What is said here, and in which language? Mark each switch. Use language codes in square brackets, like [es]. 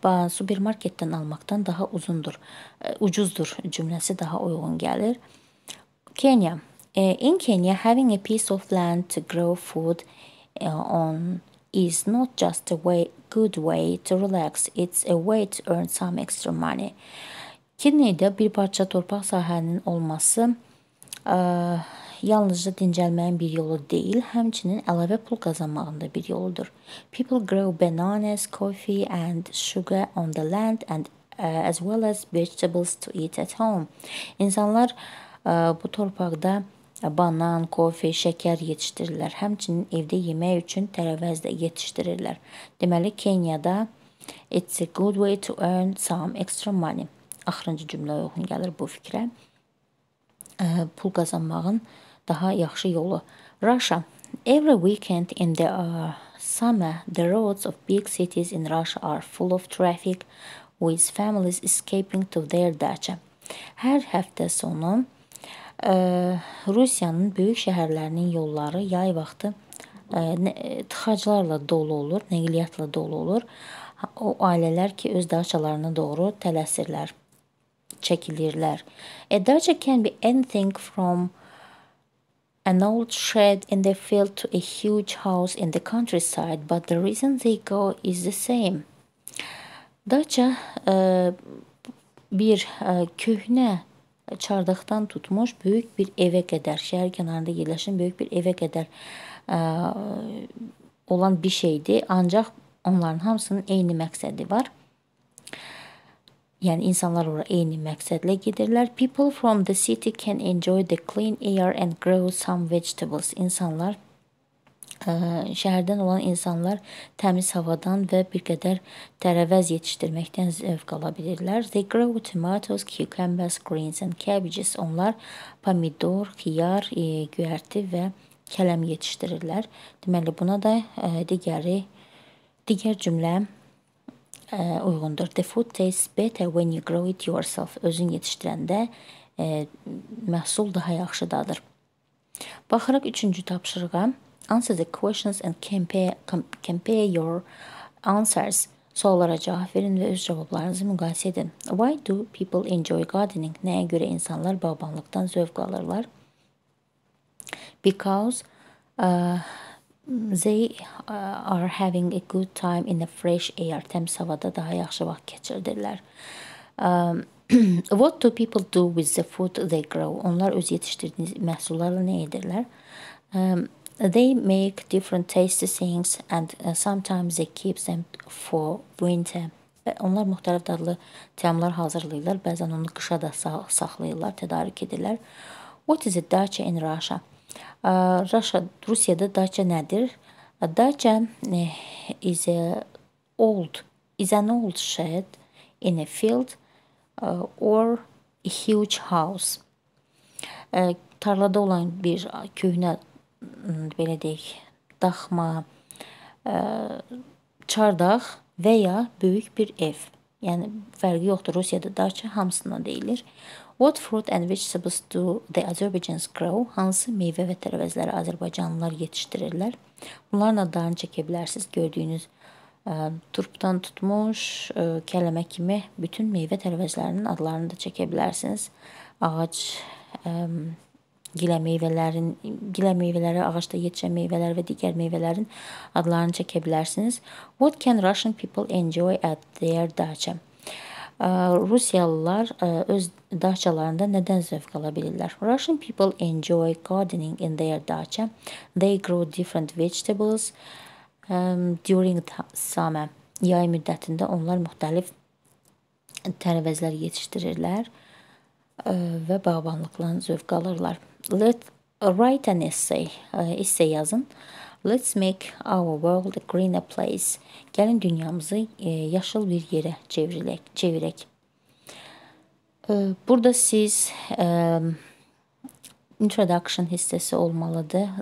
[az] Supermarketdən almaqdan daha uzundur, ucuzdur cümləsi daha uyğun gəlir. [en] Kenya. In Kenya, having a piece of land to grow food on is not just a way, good way to relax, it's a way to earn some extra money. [az] Kenya'da bir parça torpaq sahənin olması yalnızca dincəlməyin bir yolu deyil, həmçinin əlavə pul qazanmağın da bir yoludur. [en] People grow bananas, coffee and sugar on the land and as well as vegetables to eat at home. [az] İnsanlar bu torpaqda banan, kofi, şəkər yetişdirirlər. Həmçinin evdə yemək üçün tərəvəz də yetişdirirlər. Deməli, Kenya'da [en] it's a good way to earn some extra money. [az] Axırıncı cümlə uyğun gəlir bu fikrə. Pul qazanmağın daha yaxşı yolu. [en] Russia. Every weekend in the summer, the roads of big cities in Russia are full of traffic with families escaping to their dacha. [az] Hər həftə sonu Rusiyanın böyük şəhərlərinin yolları yay vaxtı tıxaclarla dolu olur, nəqliyyatla dolu olur. O ailələr ki, öz dachalarına doğru tələsirlər, çəkilirlər. [en] A dacha can be anything from an old shed in the field to a huge house in the countryside, but the reason they go is the same. [az] Dacha bir köhnə çardaqdan tutmuş böyük bir evə qədər, şəhər kənarında yerləşən böyük bir evə qədər olan bir şeydir. Ancaq onların hamısının eyni məqsədi var. Yəni, insanlar ora eyni məqsədlə gedirlər. [en] People from the city can enjoy the clean air and grow some vegetables. [az] İnsanlar, şəhərdən olan insanlar təmiz havadan və bir qədər tərəvəz yetişdirməkdən zövq ala bilirlər. [en] They grow tomatoes, cucumbers, greens and cabbages. [az] Onlar pomidor, xiyar, göyərti və kələm yetişdirirlər. Deməli, buna da digər cümlə uyğundur. [en] The food tastes better when you grow it yourself. [az] Özün yetişdirəndə məhsul daha yaxşı dadır. Baxıraq üçüncü tapşırıqa. [en] Answer the questions and compare your answers. [az] Suallara cavab verin və öz cavablarınızı müqayisə edin. [en] Why do people enjoy gardening? [az] Nəyə görə insanlar bağbanlıqdan zövq alırlar? [en] Because they are having a good time in the fresh air. [az] Təmiz havada daha yaxşı vaxt keçirdirlər. [en] what do people do with the food they grow? [az] Onlar öz yetişdirdiyiniz məhsullarla nə edirlər? [en] They make different tasty things and sometimes they keep them for winter. [az] Onlar müxtəlif dadlı təamlar hazırlayırlar. Bəzən onu qışa da saxlayırlar, tədarik edirlər. [en] What is a dacha in Russia? [az] Rusiyada dacha nədir? [en] Dacha is an old shed in a field or a huge house. [az] Tarlada olan bir köhnə, belə deyək, daxma, çardaq və ya böyük bir ev. Yəni, fərqi yoxdur, Rusiyada dacha hamısına deyilir. [en] What fruit and vegetables do the Azerbaijans grow? [az] Hansı meyvə və tərəvəzləri Azərbaycanlılar yetişdirirlər? Bunlarla darını çəkə bilərsiniz. Gördüyünüz turpdan tutmuş kələmə kimi bütün meyvə tərəvəzlərinin adlarını da çəkə bilərsiniz. Ağac, gilə meyvələri, ağacda yetişən meyvələr və digər meyvələrin adlarını çəkə bilərsiniz. [en] What can Russian people enjoy at their dacha? [az] Rusiyalılar öz dachalarında nədən zövq ala bilirlər? [en] Russian people enjoy gardening in their dacha. They grow different vegetables during the summer. [az] Yay müddətində onlar müxtəlif tərəvəzlər yetişdirirlər və bağbanlıqdan zövq alırlar. [en] Let Write an essay, essay [az] yazın. [en] Let's make our world a greener place. [az] Gəlin dünyamızı yaşıl bir yerə çevirək. Burada siz introduction hissəsi olmalıdır.